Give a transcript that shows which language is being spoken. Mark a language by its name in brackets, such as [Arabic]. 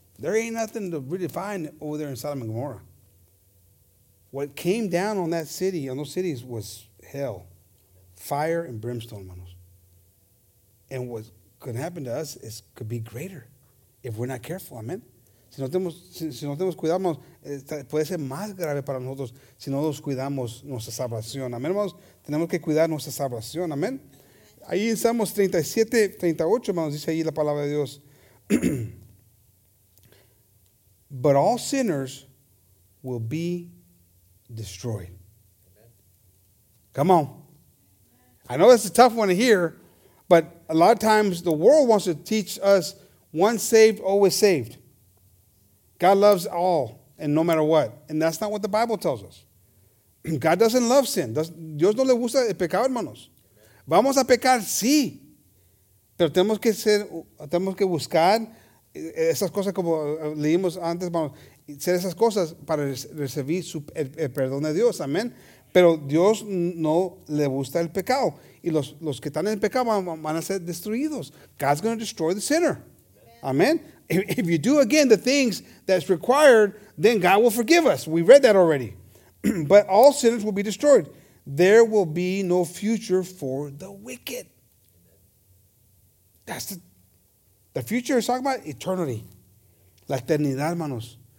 [English] There ain't nothing to really find over there in Sodom and Gomorrah. What came down on that city, on those cities, was hell, fire and brimstone, manos. And what could happen to us is could be greater if we're not careful, amen? [Spanish] Si no tenemos cuidado, puede ser más grave para nosotros si no nos cuidamos nuestra salvación, amen, manos? Tenemos que cuidar nuestra salvación, amen? Ahí en Salmos 37, 38, manos, dice ahí la palabra de Dios. [English] But all sinners will be destroyed. Amen. Come on. I know it's a tough one to hear, but a lot of times the world wants to teach us once saved, always saved. God loves all and no matter what. And that's not what the Bible tells us. God doesn't love sin. [Spanish] Dios no le gusta el pecado, hermanos. [English] Amen. [Spanish] Vamos a pecar, sí. Pero tenemos que buscar esas cosas como leímos antes, hermanos. Hacer esas cosas para recibir el perdón de Dios. Amén. Pero Dios no le gusta el pecado. Y los que están en pecado van a ser destruidos. [English] God's going to destroy the sinner. Amén. If you do again the things that's required, then God will forgive us. We read that already. But all sinners will be destroyed. There will be no future for the wicked. That's the future is talking about eternity. [Spanish] La eternidad, hermanos.